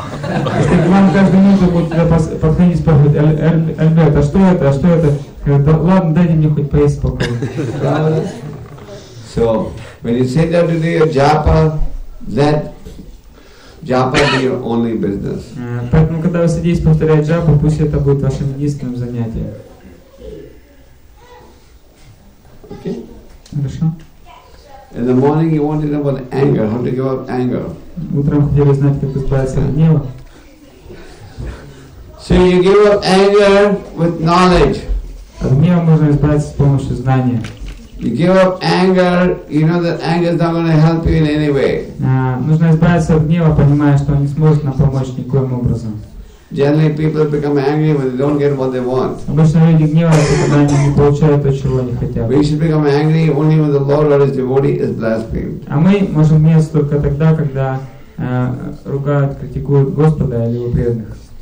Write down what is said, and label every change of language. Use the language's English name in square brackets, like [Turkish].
[Russian] Если к вам каждую минуту будут подходить и спрашивать, Альберт, а что это? Ладно, дайте мне хоть поесть спокойно. [English] So, when you sit down to do your japa, let japa be your only business. [Russian] Поэтому, когда вы садитесь повторять джапу, пусть это будет вашим единственным занятием. [English] In the morning you wanted about anger, how to give up anger. [Russian] Утром хотели знать, как избавиться от гнева. [English] So you give up anger with knowledge. [Russian] Гнев можно избавиться с помощью знания. [English] You give up anger, you know that anger is not going to help you in any way. [Russian] Нужно избавиться от гнева, понимая, что он не сможет нам помочь никоим образом. [English] Generally, people become angry when they don't get what they want. [Russian] Обычно люди гневаются, когда они не получают то, чего они хотят. [English] We should become angry only when the Lord or His devotee is blasphemed. [Russian] А мы можем гневаться только тогда, когда ругают, критикуют Господа или его преданных.